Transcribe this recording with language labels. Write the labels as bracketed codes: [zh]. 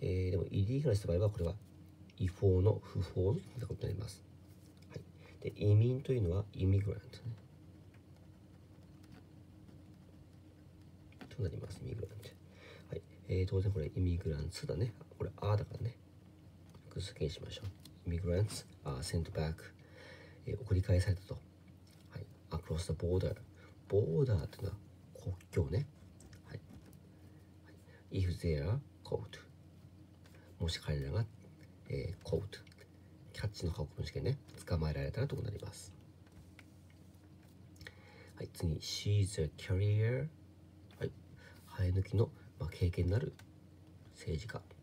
[ja] でも、Illegal した場合は、これは、違法の、不法のってことになります。はい。で、移民というのは、Immigrant、ね。となります、Immigrant。はい。当然、これ、Immigrants だね。これ、R だからね。復元しましょう。 [en] Immigrants are sent back、 [ja] 送り返されたと。 [en] はい。Across the border。 [ja] ボーダーというのは国境ね。はい。 [en] はい、If they are caught。 [ja] もし彼らが、caught。キャッチの過去分試験ね。捕まえられたらとなります。 [en] はい。次。She's a career。 はい。 [ja] 生え抜きの、まあ、経験になる政治家。